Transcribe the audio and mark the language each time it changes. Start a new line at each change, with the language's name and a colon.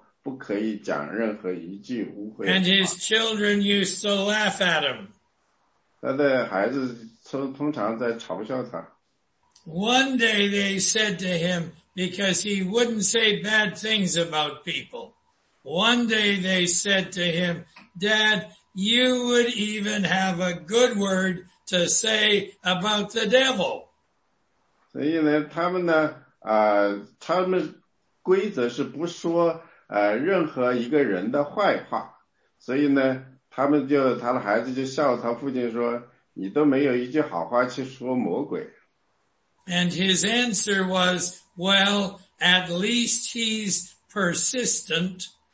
Chinese: 所以在他们家里有一条规则，就是吃晚餐的时候不可以讲任何一句污秽话。
English: And his children used to laugh at him.
Chinese: 他的孩子通常在嘲笑他。
English: One day they said to him, because he wouldn't say bad things about people. One day they said to him, Dad, you would even have a good word to say about the devil.
Chinese: 所以呢，他们呢，他们规则是不说任何一个人的坏话。所以呢，他们就他的孩子就笑他父亲说，你都没有一句好话去说魔鬼。
English: And his answer was, well, at least he's persistent.